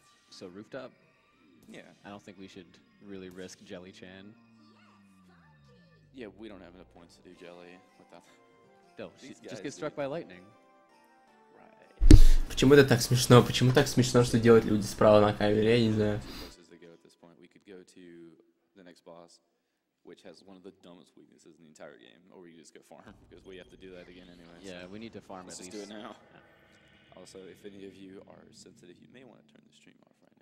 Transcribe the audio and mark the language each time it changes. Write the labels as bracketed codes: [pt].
[en] So roofed up. Yeah. I don't think we should really risk Jelly Chan. Yeah, we don't have enough points to do Jelly without. No, she just gets struck by lightning. Right. [ru] Почему это так смешно? Почему так смешно, что делают люди справа на камере? Я не знаю. [en] We could go to the next boss, which has one of the dumbest weaknesses in the entire game, or we could just go farm because we have to do that again anyway. Yeah, we need to farm at least. Let's do it now. Also, if any of you are sensitive, you may want to turn the stream off.